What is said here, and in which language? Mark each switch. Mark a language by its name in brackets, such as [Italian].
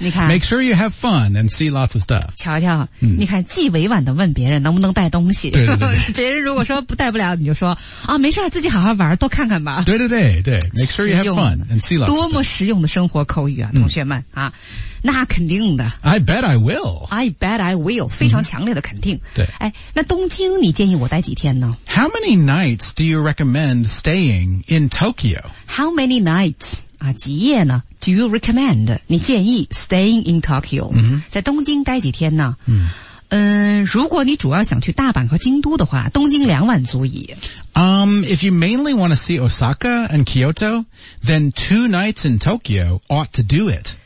[Chinese] 你看 [English] Make sure you have fun and see lots of stuff. [Chinese] 瞧瞧、你看既委婉的问别人能不能带东西。对对对。别人如果说不带不了你就说啊，没事自己好好玩多看看吧。对对对对， [English] Make sure you have fun and see lots of stuff. [Chinese] 多么实用的生活口语啊同学们啊。那肯定的。 [English] I bet I will. I bet I will. [Chinese] 非常强烈的肯定。对。哎，那东京你建议我待几天呢？ [English] How many nights do you recommend staying in Tokyo? How many nights, [Chinese] 啊，几夜呢？ [English] Do you recommend, [Chinese] 你建议 [English] staying in Tokyo,、 [Chinese] 在东京待几天呢？如果你主要想去大阪和京都的话，东京两晚足矣。 [English] If you mainly want to see Osaka and Kyoto, then two nights in Tokyo ought to do it.